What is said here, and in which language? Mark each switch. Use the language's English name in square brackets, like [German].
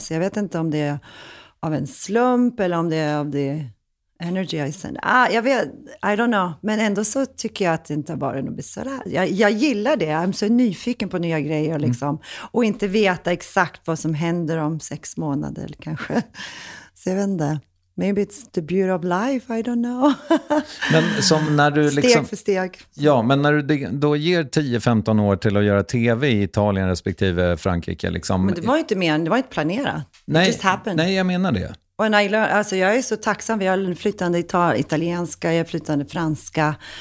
[Swedish] Så jag vet inte om det är av en slump eller om det är av [English] the energy I send. [Swedish] Jag vet, [English] I don't know, [Swedish] men ändå så tycker jag att det inte har varit något besvär. Jag gillar det, jag är så nyfiken på nya grejer liksom, och inte veta exakt vad som händer om 6 månader eller kanske, så jag vet inte. [English] Maybe it's the beauty of life, I don't know. [Swedish] Men som när du liksom, steg för steg. Ja, men när du då ger 10-15 år till att göra tv i Italien respektive Frankrike liksom. Men det var inte mer, det var inte planerat. Nej, [English] it just happened. [Swedish] Nej, jag menar det. Och alltså jag är så tacksam, vi har en flytande italienska, jag är flytande franska.